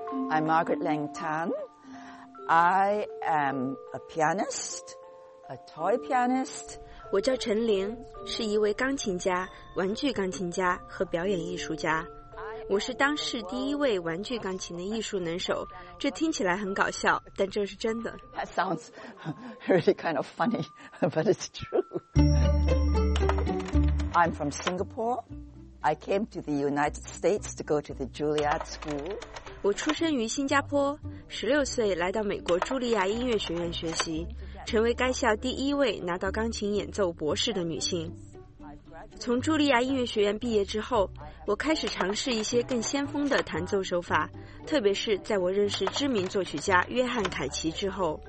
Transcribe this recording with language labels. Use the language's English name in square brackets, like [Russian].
[English] I'm Margaret Leng Tan. I am a pianist, a toy pianist. [Chinese] 我叫陈琳，是一位钢琴家、玩具钢琴家和表演艺术家。我是当世第一位玩具钢琴的艺术能手，这听起来很搞笑，但这是真的。 [English] That sounds really kind of funny, but it's true. I'm from Singapore. I came to the United States to go to the Juilliard School. [Chinese] 我出生于新加坡，16岁来到美国茱莉亚音乐学院学习，成为该校第一位拿到钢琴演奏博士的女性。从茱莉亚音乐学院毕业之后，我开始尝试一些更先锋的弹奏手法，特别是在我认识知名作曲家约翰凯奇之后。